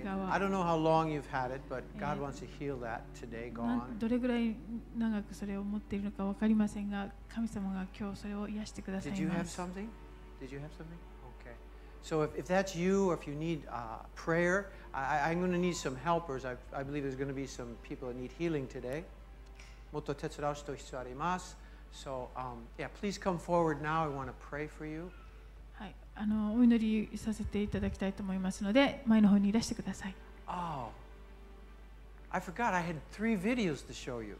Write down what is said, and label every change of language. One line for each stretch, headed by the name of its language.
Japanese: 左側。
English: I don't know how long you've had it, but God wants to heal that today, go on.
Japanese: どれぐらい長くそれを持っているのか分かりませんが、神様が今日それを癒してくださいます。
English: Did you have something? Did you have something? So if that's you, or if you need prayer, I'm going to need some helpers. I believe there's going to be some people that need healing today.
Japanese: もっと手伝う人必要あります。
English: So, yeah, please come forward now. I want to pray for you.
Japanese: はい、お祈りさせていただきたいと思いますので、前の方にいらしてください。
English: Oh, I forgot I had three videos to show you.